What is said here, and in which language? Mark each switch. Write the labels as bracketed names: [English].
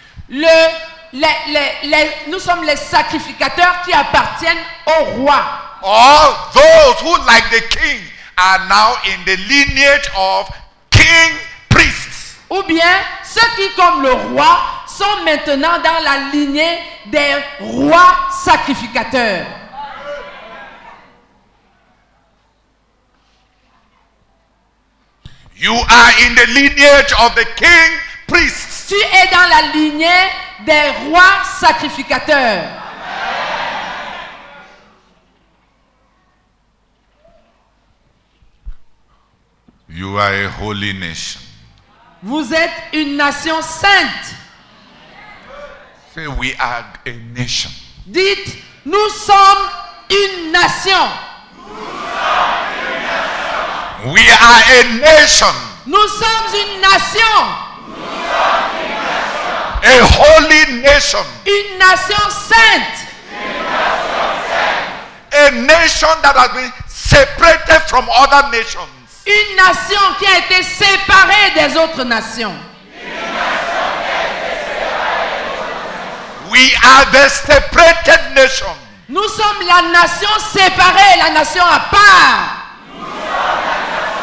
[French] Nous sommes les sacrificateurs qui appartiennent au roi. [English] All those who like the king are now in the lineage of king priests. [French] Ou bien ceux qui comme le roi sont maintenant dans la lignée des rois sacrificateurs. [English] You are in the lineage of the king priests. [French] Tu es dans la lignée des rois sacrificateurs. [English] You are a holy nation. [French] Vous êtes une nation sainte. [English] Say we are a nation. [French] Dites, nous sommes une nation. [English] We are a nation. [French] Nous sommes une nation. Nous sommes une nation. [English] A holy nation. [French] Une nation sainte. Une nation sainte. [English] A nation that has been separated from other nations. [French] Une nation qui a été séparée des autres nations. Une nation qui a été séparée des autres nations. [English] We are the separated nation. [French] Nous sommes la nation séparée, la nation à part. Nous sommes